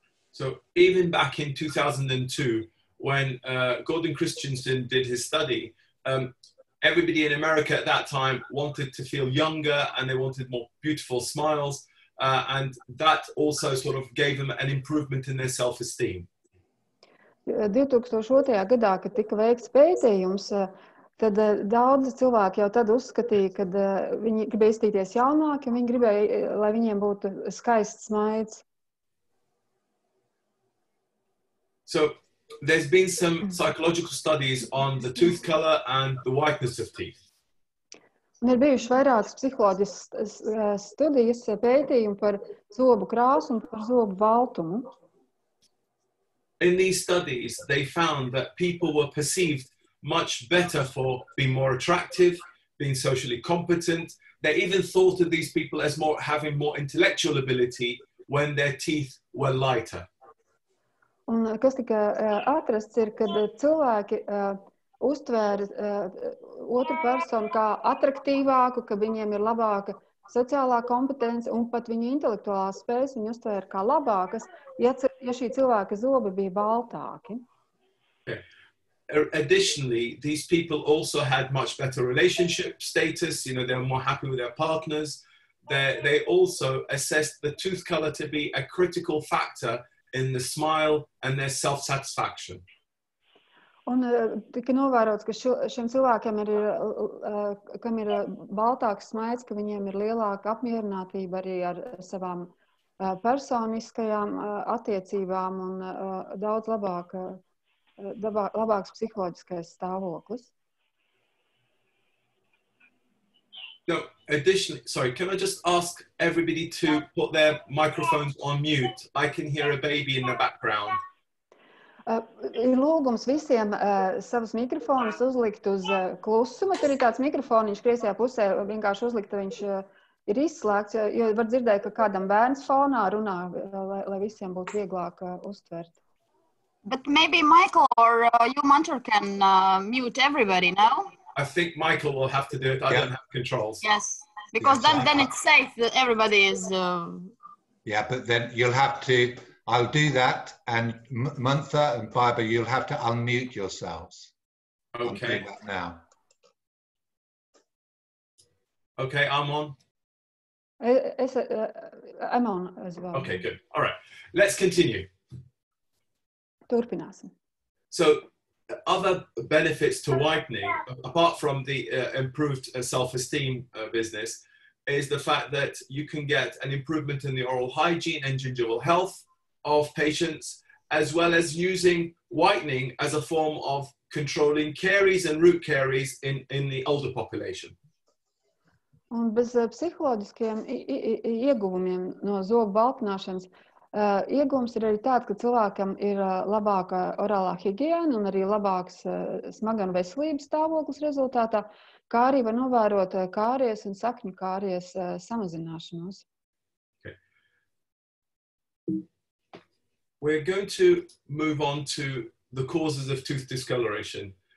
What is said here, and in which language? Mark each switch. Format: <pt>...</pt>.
<en>So, even back in 2002, when Gordon Christensen did his study, everybody in America at that time wanted to feel younger and they wanted more beautiful smiles, and that also sort of gave them an improvement in their self-esteem.</en> <lv>2002. Gadā, kad tika veikts pētījums, tad daudzi cilvēki jau tad uzskatīja, ka viņi gribēja izskatīties jaunāki, viņi gribēja, lai viņiem būtu skaists smaids.</lv> <en>So, there's been some psychological studies on the tooth color and the whiteness of teeth.</en> <lv>Un ir bijuši vairākas psiholoģijas studijas pētījumi par zobu krāsu un par zobu baltumu.</lv> <en>In these studies, they found that people were perceived much better for being more attractive, being socially competent. They even thought of these people as more having more intellectual ability when their teeth were lighter.</en> <lv>Un kas tika atrasts ir, kad cilvēki uztvēra otru personu kā atraktīvāku, ka viņiem ir labāka sociālā kompetence un pat viņu intelektuālā spējas viņu uztvēra kā labākas, ja šī cilvēka zobi bija baltāki.</lv> <en>Additionally, these people also had much better relationship status, you know, they were more happy with their partners. They also assessed the tooth color to be a critical factor in the smile and their self-satisfaction.</en> <lv>Un tika novērots, ka šiem cilvēkiem ir, kam ir baltāks smaids, ka viņiem ir lielāka apmierinātība arī ar savām personiskajām attiecībām un daudz labāks psiholoģiskais stāvoklis.</lv> <en>No, additionally, sorry, can I just ask everybody to put their microphones on mute? I can hear a baby in the background.</en> <lv>Ir lūgums visiem savus mikrofonus uzlikt uz klusumu. Tur ir tāds mikrofoniņš kreisajā pusē vienkārši uzlikt, viņš ir izslēgts, jo var dzirdēt, ka kādam bērns fonā runā, lai visiem būtu vieglāk uztvert.</lv> <en>But maybe Michael or you, Munther, can mute everybody, no? I think Michael will have to do it. I don't have controls. Yes, because then it's safe that everybody is... But then you'll have to... I'll do that, and Munther and Baiba, you'll have to unmute yourselves. Okay. I'll do that now. Okay, I'm on. I'm on as well. Okay, good. All right, let's continue.</en> <lv>Turpināsim.</lv> <en>So, other benefits to whitening, apart from the improved self-esteem business, is the fact that you can get an improvement in the oral hygiene and gingival health of patients, as well as using whitening as a form of controlling caries and root caries in the older population.</en> <lv>Un bez psiholoģiskiem ieguvumiem no zobu valkināšanas iegums ir arī tāds, ka cilvēkam ir labāka orālā higiēna un arī labāks smagana veselības stāvoklis rezultātā, kā arī var novērot kāries un sakņu kāries samazināšanos.</lv> <en>Okay. We're going to move on to the causes of tooth discoloration.</en>